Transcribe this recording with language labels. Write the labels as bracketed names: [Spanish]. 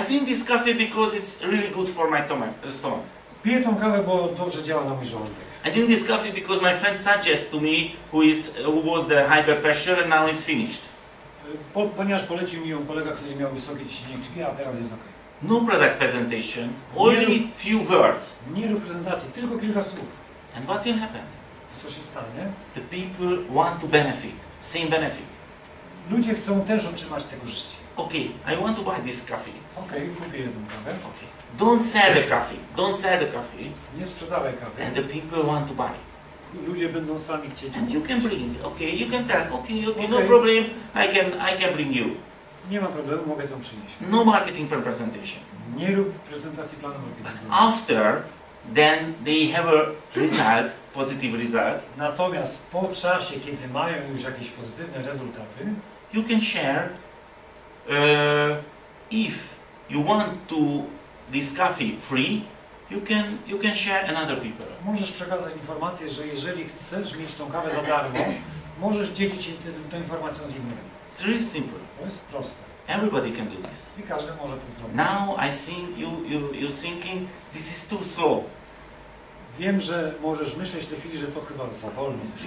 [English] I drink this coffee because it's really good for my stomach. [Polish] Piję tą kawę, bo dobrze działa na mój żołądek. [English] I drink this coffee because my friend suggests to me who was the high pressure and now is finished. [Polish] Ponieważ polecił mi ją kolega, który miał wysokie ciśnienie krwi, a teraz jest ok. [English] No product presentation, only few words. [Polish] Nie rób prezentacji, tylko kilka słów. [English] And what will happen? [Polish] Co się stanie? [English] The people want to benefit, same benefit. [Polish] Ludzie chcą też otrzymać te korzyści. [English] Okay, I want to buy this coffee. [Polish] Okay, kupię jedną kawę. [English] Okay. Don't sell the coffee. [Polish] Nie sprzedawaj kawy. [English] And the people want to buy. [Polish] Ludzie będą sami chcieć. [English] And you can bring, okay, you can tell, okay. No problem, I can bring you. [Polish] Nie ma problemu, mogę to przynieść. [English] No marketing presentation. [Polish] Nie rób prezentacji planu marketingowego. [English] After, then they have a result, positive result. [Polish] Natomiast po czasie, kiedy mają już jakieś pozytywne rezultaty, [English] you can share if you want to this coffee free, you can share another people. [Polish] Możesz przekazać informację, że jeżeli chcesz mieć tą kawę za darmo, możesz dzielić się tą informacją z innymi. [English] It's really simple. [Polish] To jest proste. [English] Everybody can do this. [Polish] I każdy może to zrobić. [English] Now I think you thinking this is too slow. [Polish] Wiem, że możesz myśleć w tej chwili, że to chyba za wolno.